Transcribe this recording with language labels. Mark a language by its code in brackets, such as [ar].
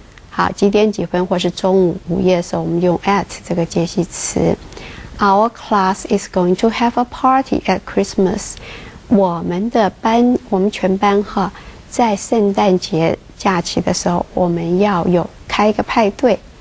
[zh] 好，几点几分或是中午午夜的时候，我们用 at 这个介系词。 [en] Our class is going to have a party at Christmas。 [zh] 我们的班，我们全班哈，在圣诞节假期的时候，我们要有开一个派对。